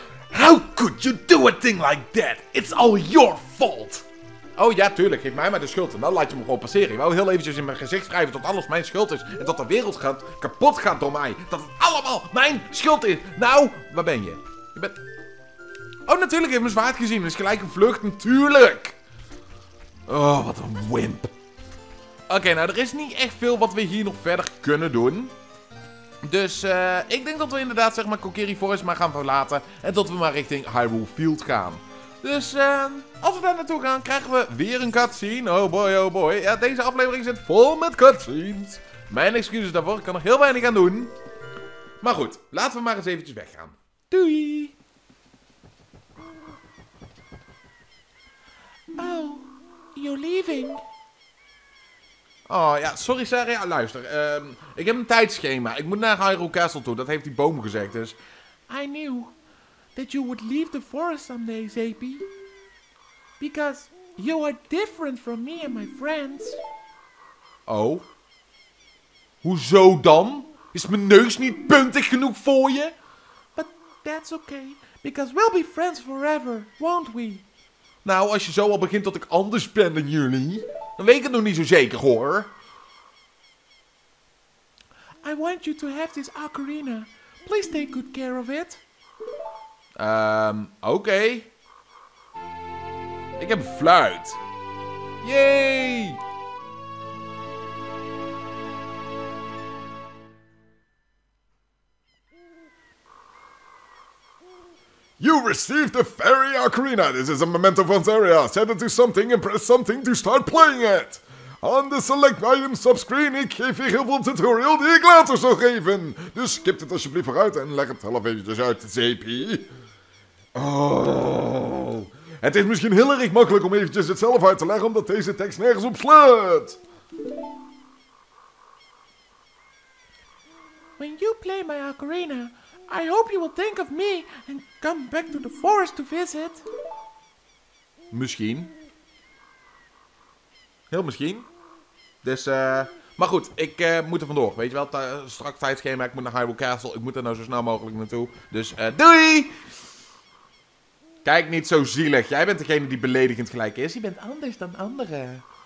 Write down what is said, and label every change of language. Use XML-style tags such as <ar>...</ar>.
<en>How could you do a thing like that? It's all your fault.</en> <nl>Oh ja, tuurlijk. Geef mij maar de schuld en dan laat je me gewoon passeren. Ik wou heel eventjes in mijn gezicht schrijven dat alles mijn schuld is. En dat de wereld gaat kapot gaat door mij. Dat het allemaal mijn schuld is. Nou, waar ben je? Je bent... Oh, natuurlijk heeft mijn zwaard gezien. Dat is gelijk een vlucht, natuurlijk. Oh, wat een wimp. Oké, nou, er is niet echt veel wat we hier nog verder kunnen doen. Dus ik denk dat we inderdaad, zeg maar, Kokiri Forest maar gaan verlaten. En dat we maar richting Hyrule Field gaan. Dus als we daar naartoe gaan, krijgen we weer een cutscene.</nl> <en>Oh boy, oh boy.</en> <nl>Ja, deze aflevering zit vol met cutscenes. Mijn excuses daarvoor, ik kan er heel weinig aan doen. Maar goed, laten we maar eens eventjes weggaan. Doei!</nl> <en>Oh, you're leaving.</en> <nl>Oh ja, sorry Sarah. Ja, luister. Ik heb een tijdschema. Ik moet naar Hyrule Castle toe. Dat heeft die boom gezegd, dus.</nl> <en>I knew that you would leave the forest someday, Zepi. Because you are different from me and my friends.</en> <nl>Oh? Hoezo dan? Is mijn neus niet puntig genoeg voor je?</nl> <en>But that's okay. Because we'll be friends forever, won't we?</en> <nl>Nou, als je zo al begint dat ik anders ben dan jullie, dan weet ik het nog niet zo zeker, hoor.</nl> <en>I want you to have this ocarina. Please take good care of it.</en> <nl>Oké. Ik heb een fluit. Yay!</nl> <en>You received a fairy ocarina. This is a memento from Zeria. Set it to something and press something to start playing it. On the select item subscreen,</en> <nl>ik geef je heel veel tutorial die ik later zal geven. Dus skip het alsjeblieft vooruit en leg het half eventjes uit, ZP. Oh. Het is misschien heel erg makkelijk om eventjes het zelf uit te leggen, omdat deze tekst nergens op slaat.</nl> <en>When you play my ocarina, I hope you will think of me and come back to the forest to visit.</en> <nl>Misschien. Heel misschien. Dus, maar goed, ik moet er vandoor. Weet je wel, straks tijdschema, ik moet naar Hyrule Castle. Ik moet er nou zo snel mogelijk naartoe. Dus, doei! Kijk niet zo zielig. Jij bent degene die beledigend gelijk is. Je bent anders dan anderen.</nl>